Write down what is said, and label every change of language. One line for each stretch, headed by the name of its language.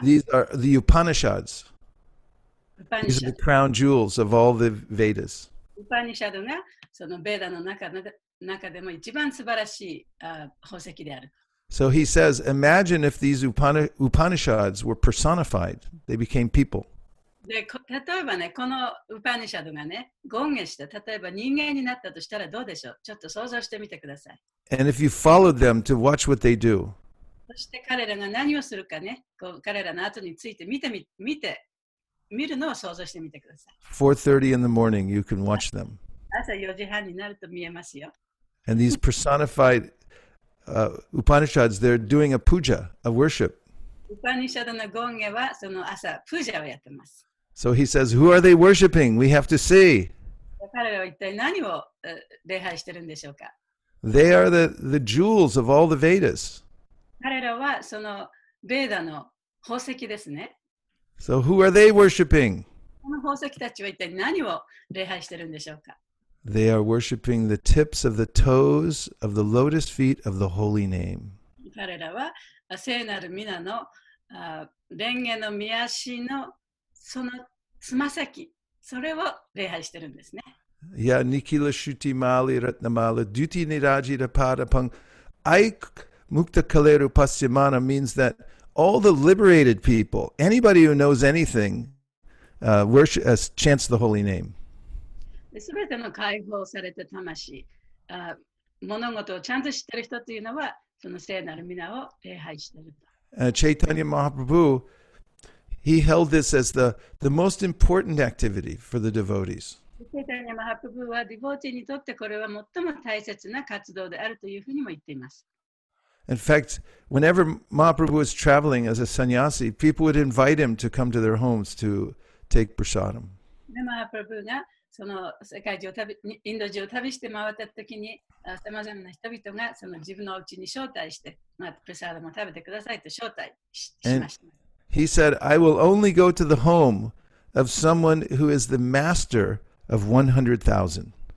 English: These are the Upanishads. These are the crown jewels of all the Vedas.
Japanese: Upanishad がそのベーダの中でも一番素晴らしい宝石である。
English: So he says, imagine if these Upanishads were personified, they became people.
Japanese: で、例えばね、このウパニシャドがね、権化して、例えば人間になったとしたらどうでしょう？ちょっと想像してみてください。
English: And if you followed them to watch what they do.
Japanese: そして彼らが何をするかね、こう彼らの後について見て。見るのを想像してみてください。
English: 4:30 in the morning, you can watch them.
Japanese: 朝4時半になると見えますよ。
English: And these personified Upanishads, they're doing a puja, a worship.
Japanese: Upanishad の権化はその朝、プジャをやってます。
English: So he says, who are they worshipping? We have to see.
Japanese: 彼らは一体何を礼拝してるんでしょうか。
English: They are the jewels of all the Vedas.
Japanese: 彼らはそのベーダの宝石ですね。
English: So who are they worshipping?
Japanese: この宝石たちは一体何を礼拝してるんでしょうか?
English: They are worshipping the tips of the toes of the lotus feet of the holy name.
Japanese: 彼らは聖なる皆の蓮華の御足のそのつま先、それを礼拝してるんですね。
English: Yeah,
Sanskrit: Nikila Shuti Mali Ratnamala Dyuti Nirajita Padapang Aik Mukta Kaleru Pasyamana
English: means that all the liberated people, anybody who knows anything, chants the holy name.
Japanese: すべての解放された魂、物事をちゃんと知ってる人というのは、その聖なる皆を礼拝してる。
English: Chaitanya Mahaprabhu, he held this as the most important activity for the devotees.
Japanese: Chaitanya Mahaprabhu は、devotee にとってこれは最も大切な活動であるというふうにも言っています。
English: In fact, whenever Mahaprabhu was traveling as a sannyasi, people would invite him to come to their homes to take prasadam.
Japanese: Mahaprabhu がその世界中を旅、インド中を旅して回った時に、さまざまな人々がその自分のうちに招待して、まあ、プラサダムを食べてくださいと招待しました。
English: And he said, I will only go to the home of someone who is the master of 100,000.